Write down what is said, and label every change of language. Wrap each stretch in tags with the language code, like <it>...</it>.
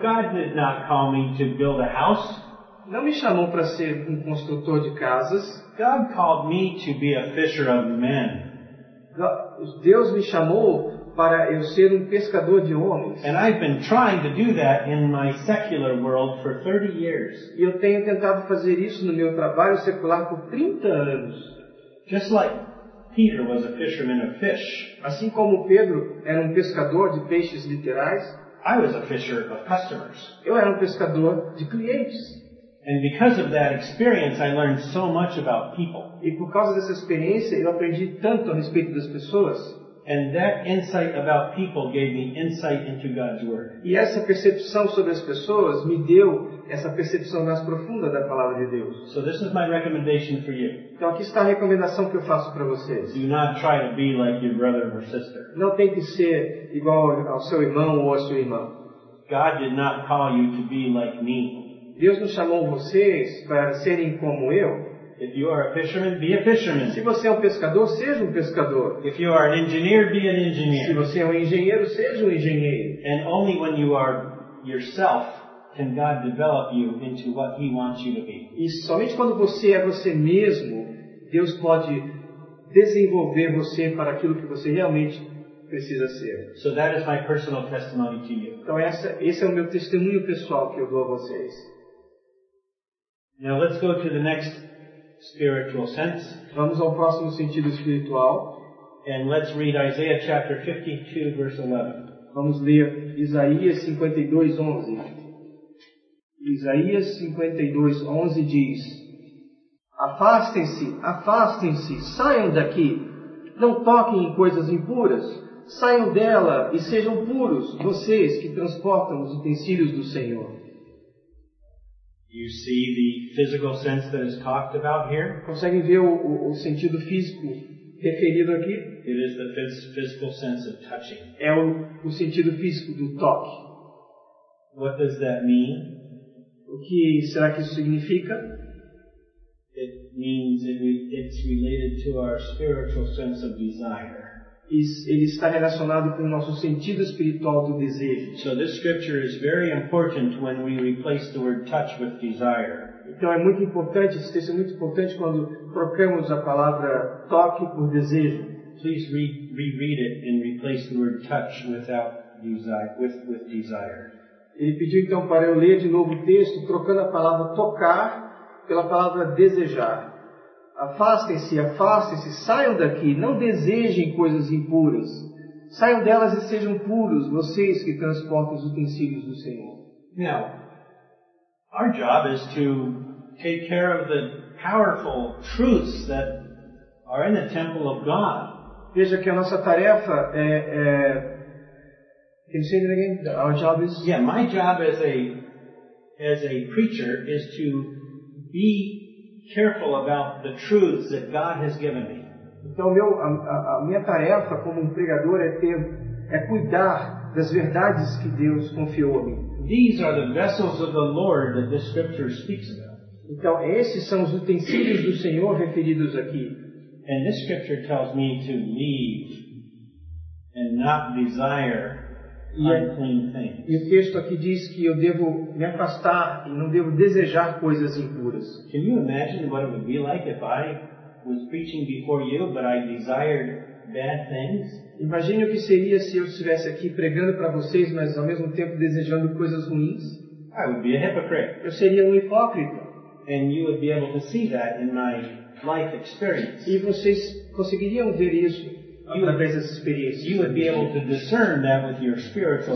<en>God did not call me to build a house.</en> <pt>Não me chamou para ser um construtor de casas.</pt> <en>God called me to be a fisher of men.</en> <pt>Deus me chamou para eu ser um pescador de homens.</pt> <en>And I've been trying to do that in my secular world for 30 years.</en> <pt>E eu tenho tentado fazer isso no meu trabalho secular por 30 anos.</pt> <en>Just like Peter was a fisherman of fish.</en> <pt>Assim como Pedro era um pescador de peixes literais,</pt> <en>I was a fisher of customers.</en> <pt>Eu era um pescador de clientes.</pt> <en>And because of that experience, I learned so much about people.</en> <pt>E por causa dessa experiência, eu aprendi tanto a respeito das pessoas.</pt> <en>And that insight about people gave me insight into God's word.</en> <pt>E essa percepção sobre as pessoas me deu essa percepção mais profunda da palavra de Deus.</pt> <en>So this is my recommendation for you.</en> <pt>Então aqui está a recomendação que eu faço para vocês.</pt> <en>Do not try to be like your brother or sister.</en> <pt>Não tente ser igual ao seu irmão ou à sua irmã.</pt> <en>God did not call you to be like me.</en> <pt>Deus não chamou vocês para serem como eu.</pt> <en>If you are a fisherman, be a fisherman.</en> <pt>Se você é um pescador, seja um pescador.</pt> <en>If you are an engineer, be an engineer.</en> <pt>Se você é um engenheiro, seja um engenheiro.</pt> <en>And only when you are yourself can God develop you into what He wants you to be.</en> <pt>E somente quando você é você mesmo, Deus pode desenvolver você para aquilo que você realmente precisa ser.</pt> <en>So that is my personal testimony to you.</en> <pt>Então esse é o meu testemunho pessoal que eu dou a vocês.</pt> <en>Now let's go to the next spiritual sense.</en> <pt>Vamos ao próximo sentido espiritual.</pt> <en>And let's read Isaiah chapter 52, verse 11.</en> <pt>Vamos ler Isaías 52:11. Isaías 52:11 diz: Afastem-se, afastem-se, saiam daqui. Não toquem em coisas impuras. Saiam dela e sejam puros, vocês que transportam os utensílios do Senhor.</pt> <en>You see the physical sense that is talked about here?</en> <pt>Conseguem ver o sentido físico referido aqui?</pt> <en>It is the physical sense of touching.</en> <pt>É o sentido físico do toque.</pt> <en>What does that mean?</en> <pt>O que será que isso significa?</pt> <en>It means it's related to our spiritual sense of desire.</en> <pt>Ele está relacionado com o nosso sentido espiritual do desejo.</pt> <en>So this scripture is very important when we replace the word touch with desire.</en> <pt>Então é muito importante, esse texto é muito importante quando trocamos a palavra toque por desejo.</pt> <en>Please reread it and replace the word touch without desire, with desire.</en> <pt>Ele pediu então para eu ler de novo o texto, trocando a palavra tocar pela palavra desejar. Afastem-se, afastem-se, saiam daqui, não desejem coisas impuras. Saiam delas e sejam puros, vocês que transportam os utensílios do Senhor.</pt> <en>Now, our job is to take care of the powerful truths that are in the temple of God.</en> <pt>Veja que a nossa tarefa é...</pt> <en>Can you say that again? Our job is... Yeah, my job as a preacher is to be careful about the truths that God has given me.</en> <pt>Então a minha tarefa como pregador é cuidar das verdades que Deus confiou a mim.</pt> <en>These are the vessels of the Lord that the scripture speaks about.</en> <pt>Então esses são os utensílios do Senhor referidos aqui.</pt> <en>And this scripture tells me to leave and not desire unclean things.</en> <pt>E o texto aqui diz que eu devo me afastar e não devo desejar coisas impuras.</pt> <en>Can you imagine what it would be like if I was preaching before you but I desired bad things?</en> <pt>Imagine o que seria se eu estivesse aqui pregando para vocês, mas ao mesmo tempo desejando coisas ruins?</pt> <en>I would be a hypocrite.</en> <pt>Eu seria um hipócrita.</pt> <en>And you would be able to see that in my life experience.</en> <pt>E vocês conseguiriam ver isso?</pt> <en>You would be able to discern that with your spiritual</en>